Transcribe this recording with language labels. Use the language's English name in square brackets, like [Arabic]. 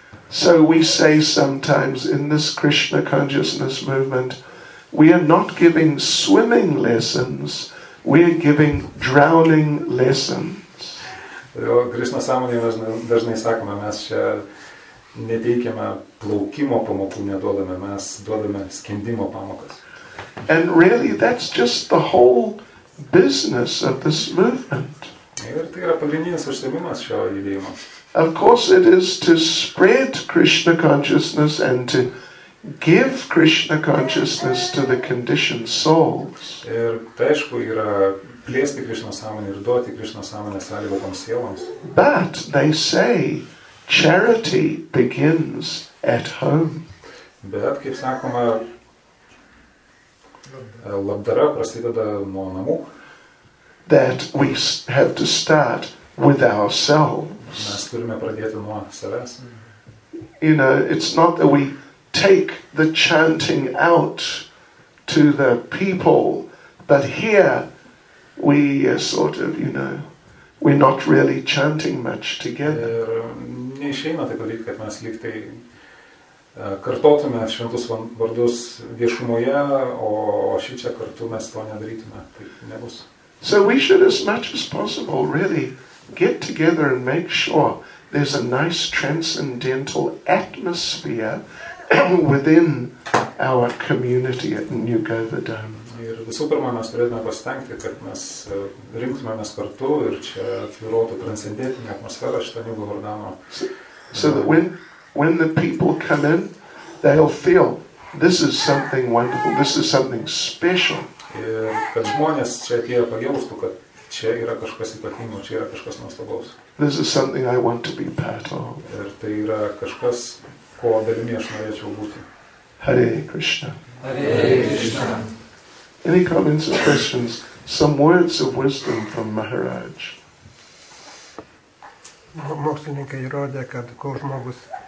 [English] So we say sometimes in this Krishna consciousness movement, we are not giving swimming lessons, we are giving drowning lessons. [Lithuanian] Jo, Krishna sąmonė dažnai sakome, mes čia neteikiame plaukimo pamokų, neduodame, mes duodame skendimo pamokas. [English] And really, that's just the whole business of this movement. [Lithuanian] Ir tai yra pagrindinis užsiėmimas šio judėjimo. [English] Of course, it is to spread Krishna consciousness and to give Krishna consciousness to the conditioned souls. [Lithuanian] Ir aišku yra plėsti Krishna sąmonę ir duoti Krishna sąmonę sąlygotoms sieloms. [English] But they say charity begins at home. [Lithuanian] Bet kaip sakoma, labdara prasideda nuo namų. [English] That we have to start with ourselves. [Lithuanian] Mes turime pradėti nuo savęs. [English] You know, it's not that we take the chanting out to the people, but here we sort of, you know, we're not really chanting much together. [Lithuanian] Neišeina taip padaryti, kad mes lyg tai kartotume šventus vardus viešumoje, o šį čia kartu mes to nedarytume, taip nebus. [English] So we should as much as possible really get together and make sure there's a nice transcendental atmosphere within our community at New Govardhan. [Lithuanian] Ir visų pirma, mes turėtume pasitengti, kad mes rinktumėmės kartu ir čia atvirotų transcendentinę atmosferą šitą New Govardhano. [English] So that when the people come in, they'll feel this is something wonderful, this is something special. [Lithuanian] Ir kad žmonės čia atėjo pagėlstų, kad čia yra kažkas ypatingo, čia yra kažkas nuostabaus. [English] This is something I want to be part of. [Lithuanian] Ir tai yra kažkas, ko dalimi aš norėčiau būti. [English] Hare Krishna. Hare Krishna. Any comments or questions? Some words of wisdom from Maharaj. [Lithuanian] Mokslininkai įrodė, kad ko žmogus...